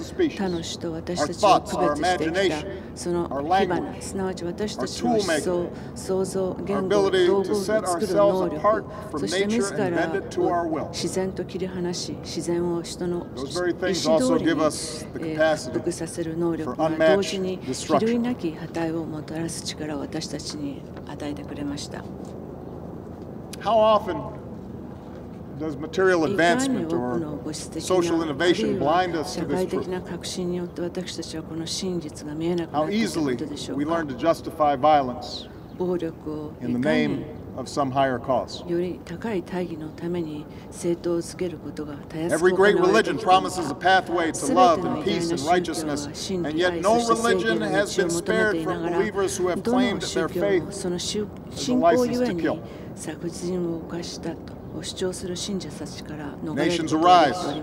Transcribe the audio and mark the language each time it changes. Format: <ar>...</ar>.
<ja>他の種と私たちを区別してきたその火花、すなわち私たちの思想、想像、言語、道具を作る能力、そして自らを自然と切り離し、自然を人の意思通りに服させる能力が同時に比類なき破壊をもたらす力を私たちに与えてくれました。</ja> <en>How often does material advancement or social innovation blind us to this truth? How easily we learn to justify violence in the name of some higher cause? Every great religion promises a pathway to love and peace and righteousness, and yet no religion has been spared from believers who have claimed their faith as a license to kill.</en> <ja>殺人を犯したと主張する信者たちから逃れることができません。</ja>